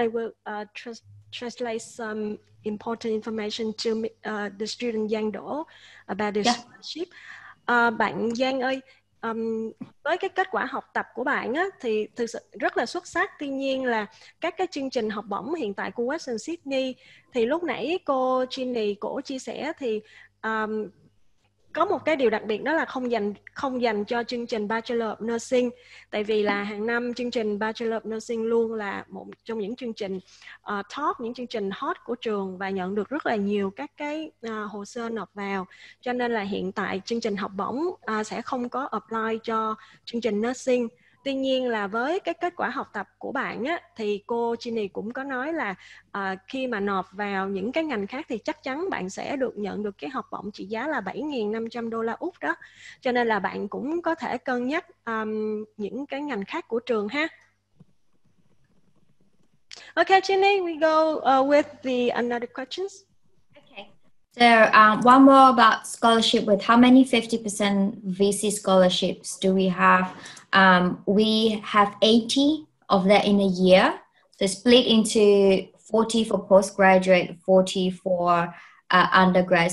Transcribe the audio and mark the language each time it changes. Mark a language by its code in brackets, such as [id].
[en] I will translate some important information to the student Giang Đỗ about this scholarship. [vi] Bạn Giang ơi, với cái kết quả học tập của bạn á, thì thực sự rất là xuất sắc. Tuy nhiên là các cái chương trình học bổng hiện tại của Western Sydney, thì lúc nãy cô Jenny cổ chia sẻ thì có một cái điều đặc biệt đó là không dành cho chương trình Bachelor of Nursing, tại vì là hàng năm chương trình Bachelor of Nursing luôn là một trong những chương trình top, những chương trình hot của trường và nhận được rất là nhiều các cái hồ sơ nộp vào. Cho nên là hiện tại chương trình học bổng sẽ không có apply cho chương trình Nursing. Tuy nhiên là với cái kết quả học tập của bạn á, thì cô Jenny cũng có nói là khi mà nộp vào những cái ngành khác thì chắc chắn bạn sẽ được nhận được cái học bổng trị giá là 7.500 đô la Úc đó. Cho nên là bạn cũng có thể cân nhắc những cái ngành khác của trường ha. [en] Okay, Jenny, we go with the another questions. So one more about scholarship. With how many 50% VC scholarships do we have? We have 80 of that in a year. So split into 40 for postgraduate, 40 for undergrad.